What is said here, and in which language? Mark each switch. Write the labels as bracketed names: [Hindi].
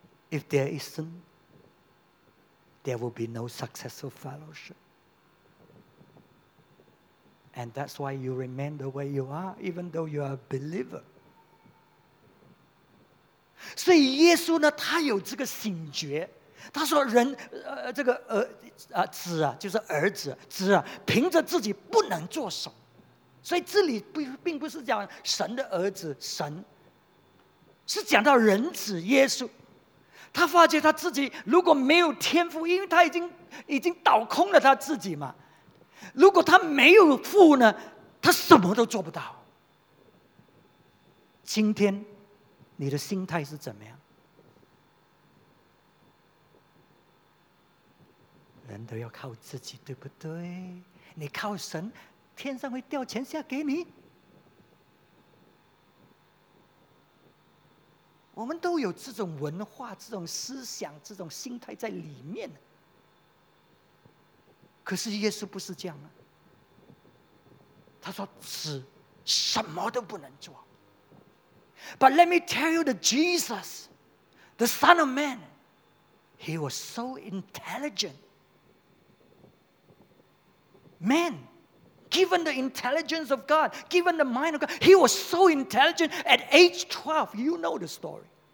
[English] If there isn't, there will be no successful fellowship. And that's why you remain the way you are, even though you are a believer. [Chinese] 所以耶稣呢，他有这个醒觉，他说人，这个子啊，就是儿子，子啊，凭着自己不能做什么。所以这里并不是讲神的儿子神，是讲到人子耶稣。他发觉他自己如果没有天父，因为他已经倒空了他自己嘛。如果他没有父呢，他什么都做不到。今天你的心态是怎么样？人都要靠自己，对不对？你靠神，天上会掉钱下给你。我们都有这种文化、这种思想、这种心态在里面。可是耶稣不是这样啊，他说子什么都不能做。 [English] But let me tell you, the Jesus, the Son of Man, he was so intelligent. Man, given the intelligence of God, given the mind of God, he was so intelligent at age 12. You know the story.